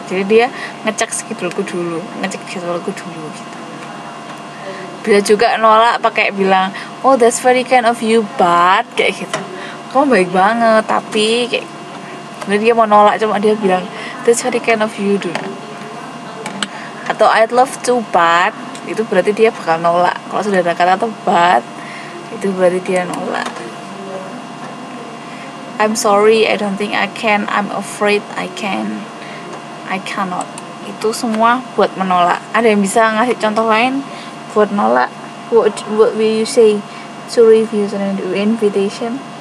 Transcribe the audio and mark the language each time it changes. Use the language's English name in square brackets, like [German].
[Indonesian] Jadi dia ngecek jadwalku dulu gitu. Bisa juga nolak pakai bilang [English] oh that's very kind of you but [Indonesian] kayak gitu. Kamu baik banget tapi kayak. Jadi dia mau nolak cuma dia bilang [English] that's very kind of you [Indonesian] dulu. Atau [English] I'd love to but, [Indonesian] itu berarti dia bakal nolak. Kalau sudah ada kata atau but, itu berarti dia nolak. [English] I'm sorry, I don't think I can. I'm afraid I can. I cannot. [Indonesian] Itu semua buat menolak. Ada yang bisa ngasih contoh lain buat nolak? [English] What will you say to refuse an invitation?